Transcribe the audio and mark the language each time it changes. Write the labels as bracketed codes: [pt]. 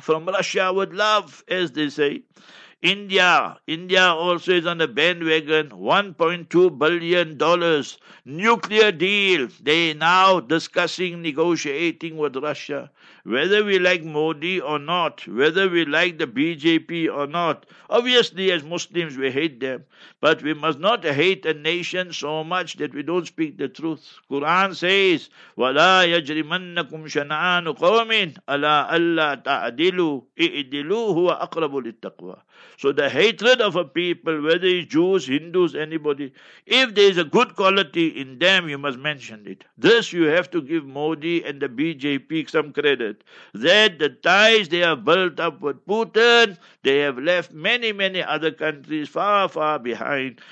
[en] From Russia with love, as they say. India also is on the bandwagon, $1.2 billion nuclear deal. They now discussing, negotiating with Russia. Whether we like Modi or not, whether we like the BJP or not, obviously as Muslims we hate them. But we must not hate a nation so much that we don't speak the truth. Quran says, [ar] وَلَا يَجْرِمَنَّكُمْ شَنَآنُ قَوْمٍ عَلَىٰ أَلَّا تَعْدِلُوا اِعْدِلُوا هُوَ أَقْرَبُ لِلتَّقْوَىٰ. [en] So the hatred of a people, whether it's Jews, Hindus, anybody, if there is a good quality in them, you must mention it. This you have to give Modi and the BJP some credit. That the ties they have built up with Putin, they have left many, many other countries far, far behind.